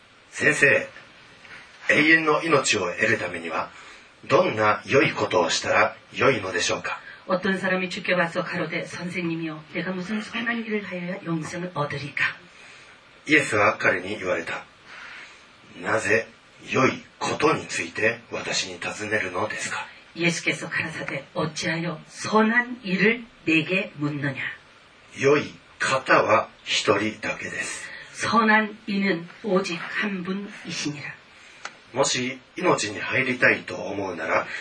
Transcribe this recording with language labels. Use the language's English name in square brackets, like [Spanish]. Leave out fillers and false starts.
[Japanese] 先生、永遠の命を得るためにはどんな良いことをしたら良いのでしょうか。 [Korean] 어떤사람이주께와서가로되선생님이요내가무슨선한일을하여야영생을얻으리까。 [Japanese] イエスは彼に言われた。なぜ良いことについて私に尋ねるのですか。 [Korean] 예수께서 가라사대 어찌하여 선한 일을 내게 묻느냐? [Japanese] 良い方は一人だけです。 [Korean] 선한 이는 오직 한 분이시니라. [Japanese] もし命に入りたいと思うなら、